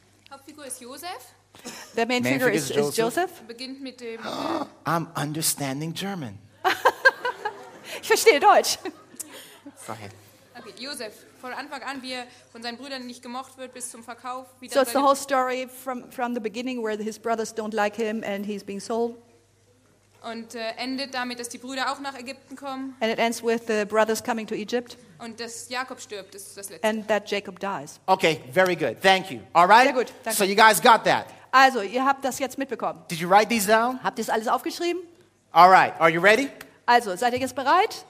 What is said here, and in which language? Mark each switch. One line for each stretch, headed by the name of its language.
German: Hauptfigur ist Josef.
English: The main figure is Joseph.
German: Beginnt mit dem
English: I'm understanding German.
German: Ich verstehe Deutsch.
English: Go ahead.
German: Okay, Joseph, von Anfang an, wie er von seinen Brüdern nicht gemocht wird, bis zum Verkauf.
English: So it's the whole story from the beginning where his brothers don't like him and he's being sold.
German: Und endet damit, dass die Brüder auch nach Ägypten kommen.
English: And it ends with the brothers coming to Egypt.
German: Und dass Jakob stirbt, ist das Letzte.
English: And that Jacob dies. Okay, very good. Thank you. All right?
German: Sehr gut.
English: Danke. So you guys got that.
German: Also, ihr habt das jetzt mitbekommen.
English: Did you write these down?
German: Habt ihr das alles aufgeschrieben?
English: All right. Are you ready?
German: Also, seid ihr jetzt bereit?